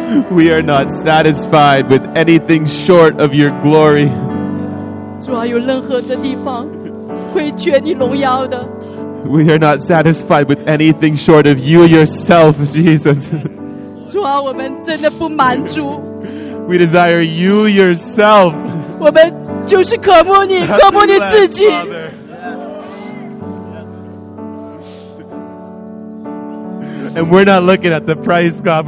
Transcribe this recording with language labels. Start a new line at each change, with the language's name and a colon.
English: We are not satisfied with anything short of your glory.
Chinese: 主啊，有任何的地方会缺你荣耀的。
English: We are not satisfied with anything short of you yourself, Jesus.
Chinese: 主啊，我们真的不满足。
English: We desire you yourself. And we're not looking at the price, God.